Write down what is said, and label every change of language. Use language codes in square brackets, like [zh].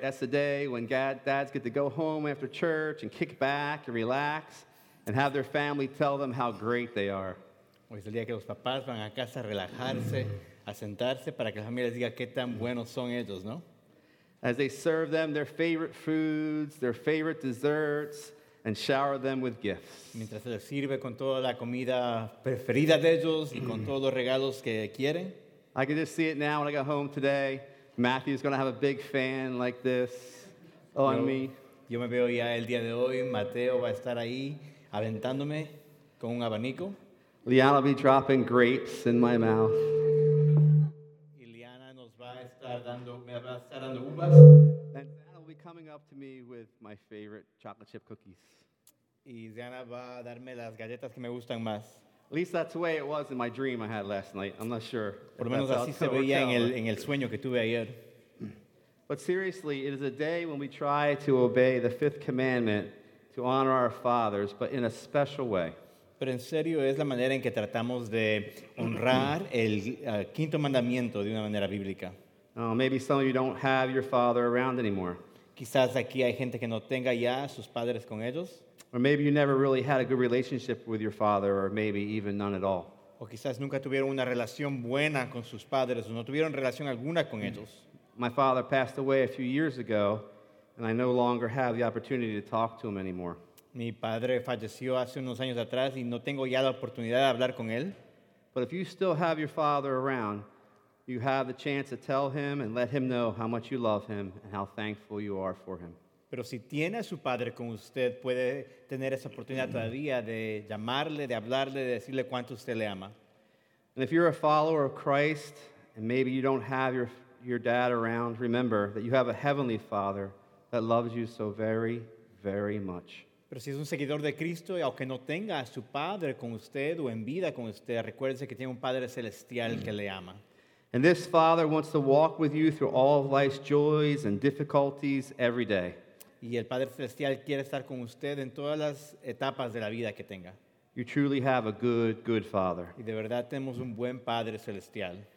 [en] That's the day when dads get to go home after church and kick back and relax and have their family tell them how great they are. [es] Hoy es el día que los papás van a casa a relajarse, a sentarse para que la familia les diga qué tan buenos son ellos, ¿no? [en] As they serve them their favorite foods, their favorite desserts, and shower them with gifts. [es] Mientras se les sirve con toda la comida preferida de ellos y con todos los regalos que quieren. [en] I can just see it now when I got home today. Matthew's going to have a big fan like this on me. [es] Yo me veo ya el día de hoy. Mateo va a estar ahí aventándome con un abanico. [en] Liana will be dropping grapes in my mouth. [es] Y Liana nos va a estar dando, me va a estar dando uvas. [en] Coming up to me with my favorite chocolate chip cookies. [es] Y Diana va a darme las galletas que me gustan más. [en] At least that's the way it was in my dream I had last night. I'm not sure. [es] Por lo menos así se veía en el sueño que tuve ayer. [en] But seriously, it is a day when we try to obey the fifth commandment to honor our fathers, but in a special way. [es] Pero en serio es la manera en que tratamos de honrar el quinto mandamiento de una manera bíblica. [en] Oh, maybe some of you don't have your father around anymore. [es] Quizás aquí hay gente que no tenga ya sus padres con ellos. [en] Or maybe you never really had a good relationship with your father, or maybe even none at all. [es] O quizás nunca tuvieron una relación buena con sus padres, o no tuvieron relación alguna con ellos. [en] My father passed away a few years ago, and I no longer have the opportunity to talk to him anymore. [es] Mi padre falleció hace unos años atrás, y no tengo ya la oportunidad de hablar con él. [en] But if you still have your father around, you have the chance to tell him and let him know how much you love him and how thankful you are for him. [es] Pero si tiene a su padre con usted, puede tener esa oportunidad todavía de llamarle, de hablarle, de decirle cuánto usted le ama. [en] And if you're a follower of Christ and maybe you don't have your dad around, remember that you have a heavenly father that loves you so very, very much. [es] Pero si es un seguidor de Cristo y aunque no tenga a su padre con usted o en vida con usted, recuérdese que tiene un padre celestial que le ama. [en] And this Father wants to walk with you through all of life's joys and difficulties every day. [es] Y el Padre Celestial quiere estar con usted en todas las etapas de la vida que tenga. [en] You truly have a good, good Father. [es] Y de verdad tenemos un buen Padre Celestial.